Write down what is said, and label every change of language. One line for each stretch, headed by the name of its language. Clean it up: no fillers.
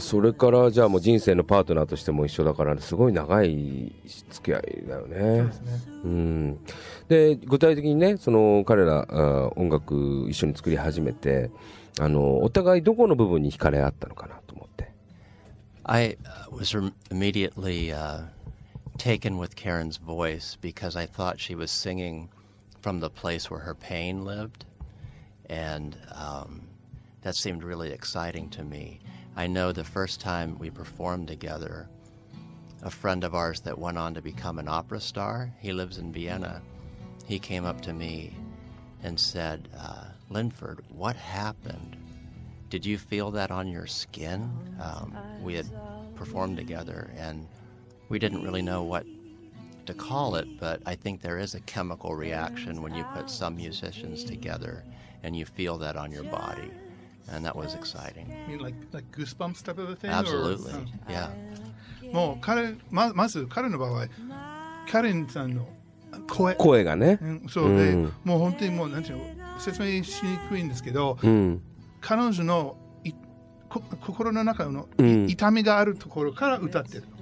Japanese: それからじゃあもう人生のパートナーとしても一緒だからすごい長い付き合いだよね。で、具体的にねその彼ら音楽一緒に作り始めてお互いどこの部分に惹かれ合ったのかなと思って、
English: I was immediately taken with Karen's voice because I thought she was singing from the place where her pain lived and that seemed really exciting to me. I know the first time we performed together,a friend of ours that went on to become an opera star, he lives in Vienna, he came up to me and said, Linford, what happened? Did you feel that on your skin? We had performed together and we didn't really know what to call it, but I think there is a chemical reaction when you put some musicians together and you feel that on your body. And that was exciting. You mean like goosebumps type of a thing? Absolutely, yeah.
Japanese: もう彼まず彼の場合、カレンさんの声がね、そうで、うん、もう本当にもうなんていうの説明しにくいんですけど、うん、彼女の心の中の、うん、痛みがあるところから歌ってる。